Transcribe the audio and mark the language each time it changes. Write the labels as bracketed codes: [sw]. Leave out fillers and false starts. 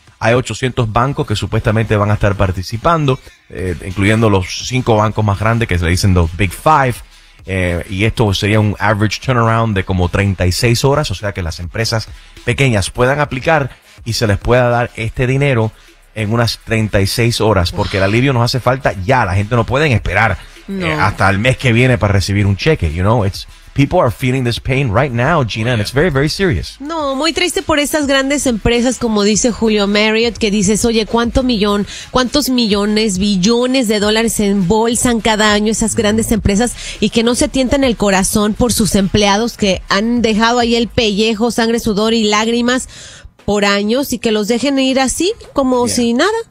[es] Hay 800 bancos que supuestamente van a estar participando, incluyendo los 5 bancos más grandes que se le dicen los Big Five, y esto sería un [en] average turnaround [es] de como 36 horas, o sea, que las empresas pequeñas puedan aplicar y se les pueda dar este dinero en unas 36 horas, porque el alivio nos hace falta ya. La gente no puede esperar hasta el mes que viene para recibir un cheque. [en] You know, it's people are feeling this pain right now, Gina, and it's very, very serious. [es] No, muy triste por estas grandes empresas, como dice Julio Marriott, que dices, oye, cuántos millones, billones de dólares se embolsan cada año esas grandes empresas, y que no se tientan el corazón por sus empleados que han dejado ahí el pellejo, sangre, sudor y lágrimas por años, y que los dejen ir así, como si nada.